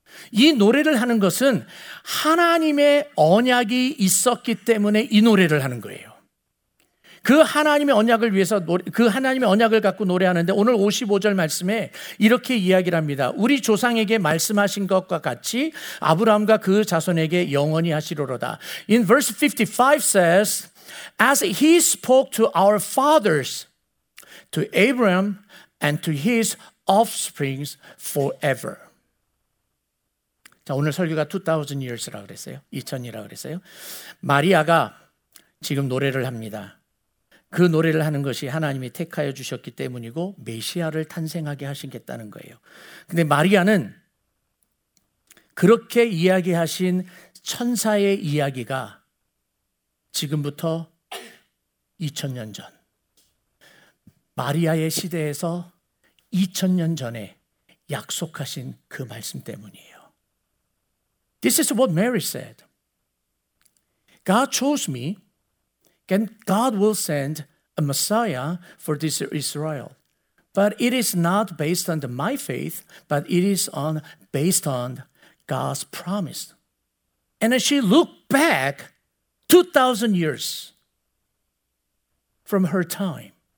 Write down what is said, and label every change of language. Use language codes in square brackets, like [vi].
[ko] 이 노래를 하는 것은 하나님의 언약이 있었기 때문에 이 노래를 하는 거예요. 그 하나님의 언약을 위해서 그 하나님의 언약을 갖고 노래하는데 오늘 55절 말씀에 이렇게 이야기를 합니다. 우리 조상에게 말씀하신 것과 같이 아브라함과 그 자손에게 영원히 하시리로다. [en] In verse 55 says As he spoke to our fathers, to Abraham and to his offsprings forever. [ko] 자, 오늘 설교가 [en] 2000 years [ko] 라고 그랬어요. 2000이라고 그랬어요. 마리아가 지금 노래를 합니다. 그 노래를 하는 것이 하나님이 택하여 주셨기 때문이고 메시아를 탄생하게 하시겠다는 거예요. 근데 마리아는 그렇게 이야기하신 천사의 이야기가 지금부터 2000년 전, 마리아의 시대에서 2000년 전에 약속하신 그 말씀 때문이에요. [en] This is what Mary said. God chose me, and God will send a Messiah for this Israel. But it is not based on my faith, but it is based on God's promise. And as she looked back 2,000 years, from her time.